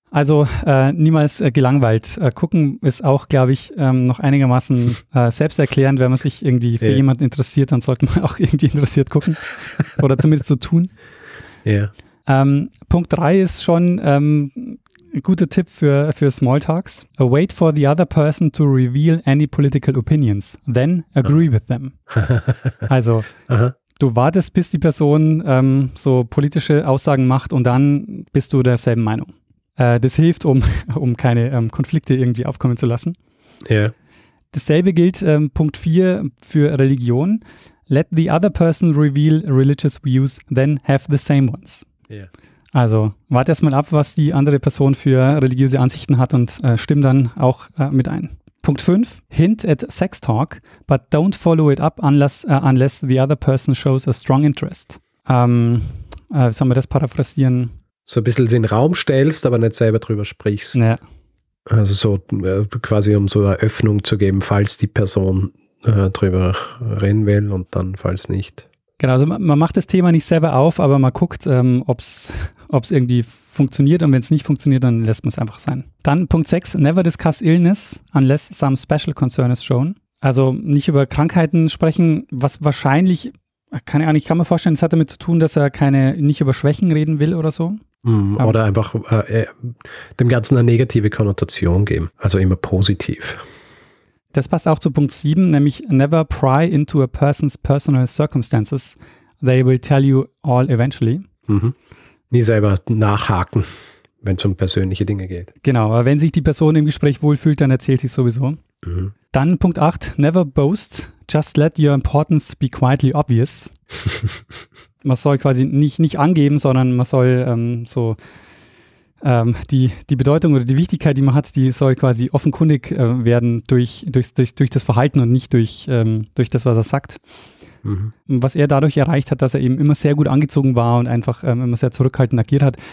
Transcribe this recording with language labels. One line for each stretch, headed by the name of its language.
German: Also niemals gelangweilt gucken ist auch, glaube ich, noch einigermaßen selbsterklärend, wenn man sich irgendwie für jemanden interessiert, dann sollte man auch irgendwie interessiert gucken oder zumindest so tun. Ja.
English: Yeah.
German: Punkt 3 ist schon ein guter Tipp für Smalltalks.
English: Wait for the other person to reveal any political opinions, then agree with them.
German: Also, du wartest, bis die Person so politische Aussagen macht und dann bist du derselben Meinung. Das hilft, um keine Konflikte irgendwie aufkommen zu lassen.
English: Yeah.
German: Dasselbe gilt Punkt 4 für Religion.
English: Let the other person reveal religious views, then have the same ones.
German: Also, warte erstmal ab, was die andere Person für religiöse Ansichten hat und stimm dann auch mit ein. Punkt 5,
English: hint at sex talk, but don't follow it up unless the other person shows a strong interest.
German: Wie soll man das paraphrasieren? So ein bisschen in den Raum stellst, aber nicht selber drüber sprichst. Ja. Also so quasi um so eine Öffnung zu geben, falls die Person drüber reden will und dann falls nicht. Genau, also man macht das Thema nicht selber auf, aber man guckt, ob es irgendwie funktioniert, und wenn es nicht funktioniert, dann lässt man es einfach sein. Dann Punkt 6,
English: never discuss illness unless some special concern is shown.
German: Also nicht über Krankheiten sprechen, was wahrscheinlich, keine Ahnung, ich kann mir vorstellen, es hat damit zu tun, dass er keine, nicht über Schwächen reden will oder so. Oder einfach dem Ganzen eine negative Konnotation geben, also immer positiv. Das passt auch zu Punkt 7, nämlich
English: never pry into a person's personal circumstances. They will tell you all eventually. Mhm.
German: Nie selber nachhaken, wenn es um persönliche Dinge geht. Genau, aber wenn sich die Person im Gespräch wohlfühlt, dann erzählt sie sowieso. Mhm. Dann Punkt 8,
English: never boast, just let your importance be quietly obvious.
German: Man soll quasi nicht angeben, sondern man soll die Bedeutung oder die Wichtigkeit, die man hat, die soll quasi offenkundig werden durch das Verhalten und nicht durch das, was er sagt. Mhm. Was er dadurch erreicht hat, dass er eben immer sehr gut angezogen war und einfach immer sehr zurückhaltend agiert hat.